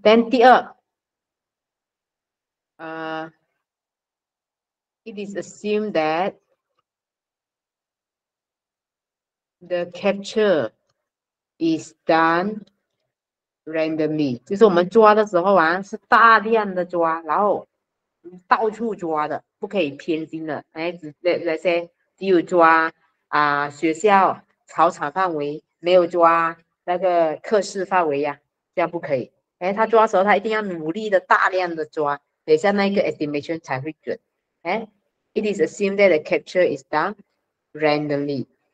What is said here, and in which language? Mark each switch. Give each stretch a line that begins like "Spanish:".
English: Then
Chinese: 第二，
English: it is assumed that the capture is done randomly.
Chinese: 就是我们抓的时候啊，是大量的抓，然后。到处抓的，不可以偏心的。哎，那些只有抓啊、学校操场范围，没有抓那个课室范围呀、啊，这样不可以。哎，他抓的时候他一定要努力的大量的抓，等一下那个 estimation 才会准。
English: 哎 ，it is assumed that the capture is done randomly。